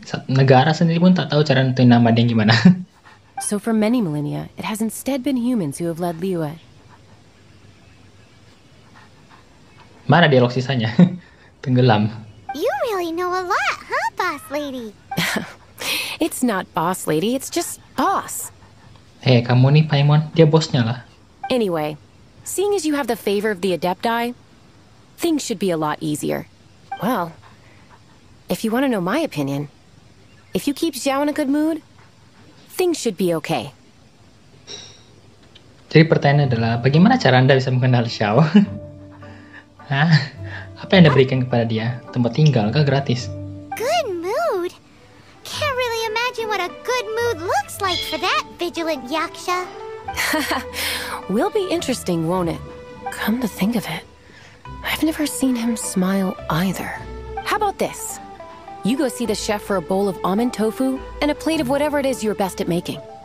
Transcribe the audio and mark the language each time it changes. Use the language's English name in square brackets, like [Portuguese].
[Indonesian] Negara sendiri pun tak tahu cara nentuin nama dia gimana. [English] So for many millennia, it has instead been humans who have led Liyue. [Indonesian] Mana dialog sisanya? Tenggelam. [English] You really know a lot, huh, boss lady? It's not boss lady, it's just boss. [Indonesian] Hey, kamu nih, Paimon. Dia bosnya lah. [English] Anyway, seeing as you have the favor of the Adepti, things should be a lot easier. Well, if you want to know my opinion, if you keep Xiao in a good mood, things should be okay. [Indonesian] Jadi pertanyaannya adalah, bagaimana cara Anda bisa mengenal Xiao? Hah? Apa yang Anda berikan kepada dia? Tempat tinggal kah gratis? [English] Good mood. Can't really imagine what a good mood looks like for that vigilant yaksha. Will be interesting, won't it? Come to think of it, I've never seen him smile either. How about this? You go see the chef for a bowl of almond tofu and a plate of whatever it is you're best at making.